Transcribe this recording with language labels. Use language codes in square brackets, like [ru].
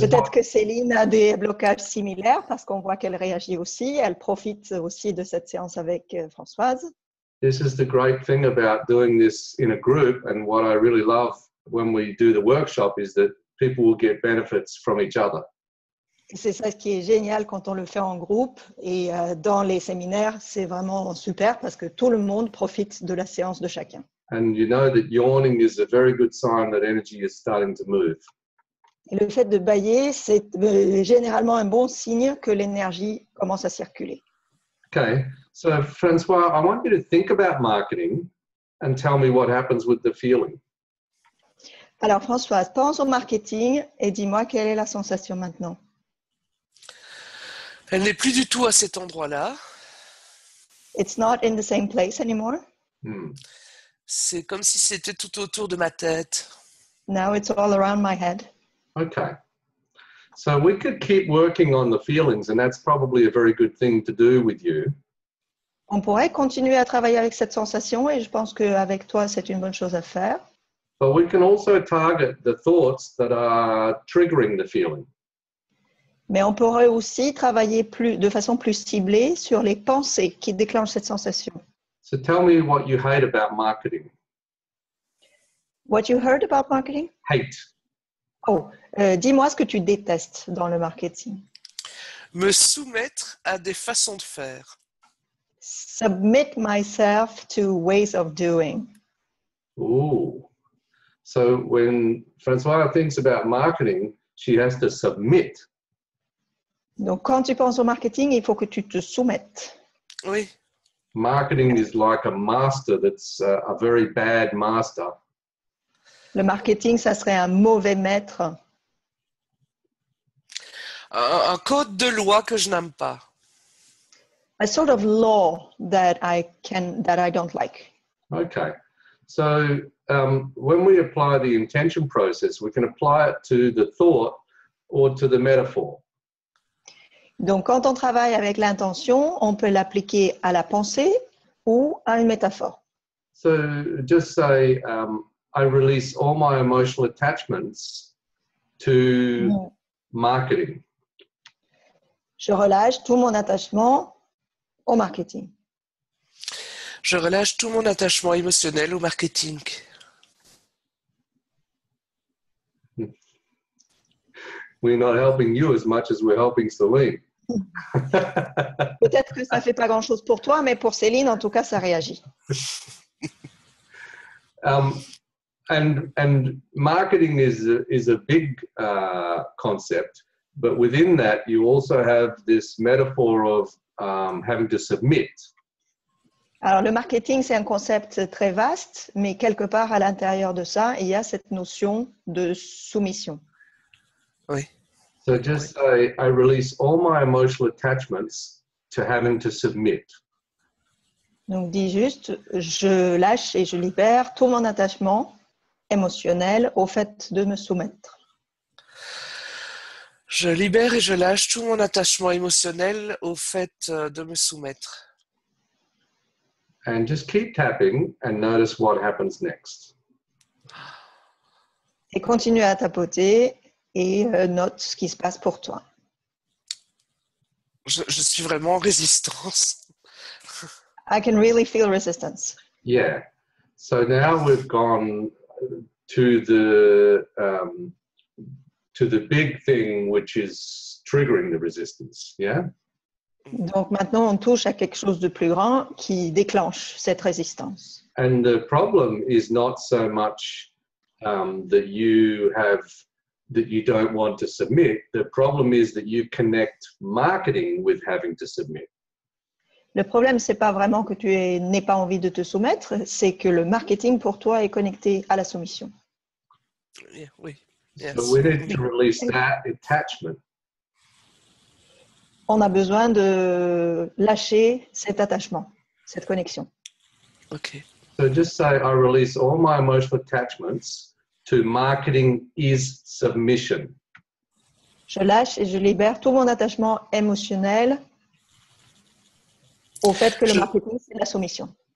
[fr] peut-être que Céline a des blocages similaires parce qu'on voit qu'elle réagit aussi. Elle profite aussi de cette séance avec Françoise. [en] This is the great thing about doing this in a group, and what I really love when we do the workshop is that people will get benefits from each other. [fr] C'est ça qui est génial quand on le fait en groupe et dans les séminaires, c'est vraiment super parce que tout le monde profite de la séance de chacun. [en] And you know that yawning is a very good sign that energy is starting to move. [fr] Et le fait de bâiller, c'est généralement un bon signe que l'énergie commence à circuler. [en] Okay. So François, I want you to think about marketing and tell me what happens with the feeling. [fr] Alors, Françoise, pense au marketing et dis-moi quelle est la sensation maintenant. Elle n'est plus du tout à cet endroit-là. [en] It's not in the same place anymore. [fr] C'est comme si c'était tout autour de ma tête. [en] Now it's all around my head. Okay. So we could keep working on the feelings, and that's probably a very good thing to do with you. [fr] On pourrait continuer à travailler avec cette sensation, et je pense qu'avec toi, c'est une bonne chose à faire. [en] But we can also target the thoughts that are triggering the feeling. [fr] Mais on pourrait aussi travailler plus de façon plus ciblée sur les pensées qui déclenchent cette sensation. [en] So tell me what you hate about marketing. What you heard about marketing? Hate. [fr] Oh, dis-moi ce que tu détestes dans le marketing. Me soumettre à des façons de faire. [en] Submit myself to ways of doing. Ooh. So when François thinks about marketing, she has to submit. [fr] Donc quand tu penses au marketing, il faut que tu te soumettes. Oui. [en] Marketing is like a master that's a very bad master. [fr] Le marketing, ça serait un mauvais maître. Un code de loi que je n'aime pas. [en] A sort of law that I don't like. Okay. So when we apply the intention process, we can apply it to the thought or to the metaphor. [fr] Donc, quand on travaille avec l'intention, on peut l'appliquer à la pensée ou à une métaphore. [en] So just say, I release all my emotional attachments to marketing. [fr] Je relâche tout mon attachement au marketing. Je relâche tout mon attachement émotionnel au marketing. [en] We're not helping you as much as we're helping Celine. [fr] Peut-être que ça ne fait pas grand-chose pour toi, mais pour Céline, en tout cas, ça réagit. [en] And marketing is a big concept, but within that, you also have this metaphor of having to submit. [fr] Alors, le marketing, c'est un concept très vaste, mais quelque part à l'intérieur de ça, il y a cette notion de soumission. Oui. [en] So just say, I release all my emotional attachments to having to submit. [fr] Donc, dis juste, je lâche et je libère tout mon attachement émotionnel au fait de me soumettre. Je libère et je lâche tout mon attachement émotionnel au fait de me soumettre. [en] And just keep tapping and notice what happens next. [fr] Et continue à tapoter et note ce qui se passe pour toi. Je suis vraiment en résistance. [en] I can really feel resistance. Yeah. So now we've gone to the big thing, which is triggering the resistance. Yeah. [fr] Donc maintenant on touche à quelque chose de plus grand qui déclenche cette résistance. [en] And the problem is not so much that you don't want to submit. The problem is that you connect marketing with having to submit. [fr] Le problème, ce n'est pas vraiment que tu n'aies pas envie de te soumettre, c'est que le marketing pour toi est connecté à la soumission. [en] Yeah, oui. Yes. So we need to release that attachment. [fr] On a besoin de lâcher cet attachement, cette connexion. [en] OK. So just say, I release all my emotional attachments to marketing is submission. [fr] Je lâche et je libère tout mon attachement émotionnel au fait que le marketing, c'est la soumission.